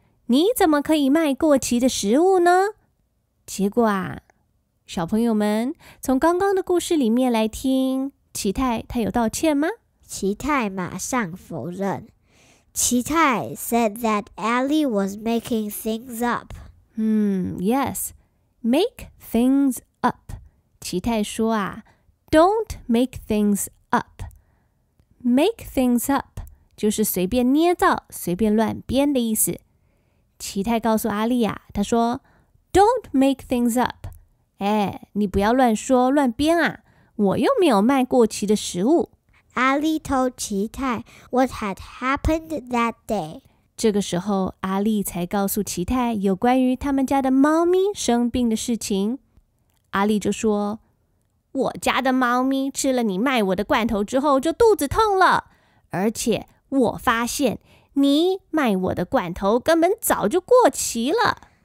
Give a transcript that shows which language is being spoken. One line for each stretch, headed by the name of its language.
Chinese: 你怎么可以卖过期的食物呢？结果啊，小朋友们，从刚刚的故事里面来听，奇泰他有道歉吗？奇泰马上否认。
English: 奇泰 said that Ali was making things up. Yes, make things up. 奇泰
Chinese: 说啊
English: ，Don't make things up. Make things up
Chinese: 就是随便捏造、随便乱编的意思。奇泰告诉阿力啊，他说。
English: Don't make things up.
Chinese: 哎，你不要乱说乱编啊！我又没有卖过期的食物。
English: Ali told 奇泰 what had happened that day.
Chinese: 这个时候，阿力才告诉奇泰有关于他们家的猫咪生病的事情。阿力就说：“我家的猫咪吃了你卖我的罐头之后就肚子痛了，而且我发现你卖我的罐头根本早就过期了。”